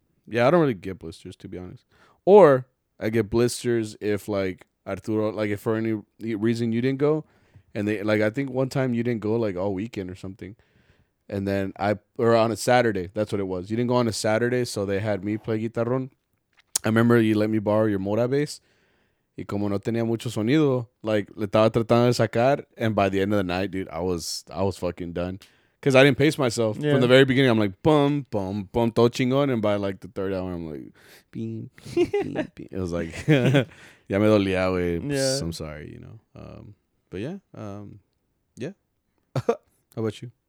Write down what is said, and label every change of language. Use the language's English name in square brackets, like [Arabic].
[English] Yeah, I don't really get blisters, to be honest. Or I get blisters if, like, Arturo, like, if for any reason you didn't go. And they, like, I think one time you didn't go, like, all weekend or something. And then on a Saturday. That's what it was. You didn't go on a Saturday, so they had me play guitarrón. I remember you let me borrow your Mora bass. [Spanish] Y como no tenía mucho sonido, [English] like, [Spanish] le estaba tratando de sacar. [English] And by the end of the night, dude, I was fucking done. Because I didn't pace myself. Yeah. From the very beginning, I'm like, bum, bum, bum, [Spanish] todo chingón. [English] And by, like, the third hour, I'm like, bing, bing, bing, bing. It was like, [Spanish] ya me dolía, güey. [English] Yeah. I'm sorry, you know. But yeah, How about you?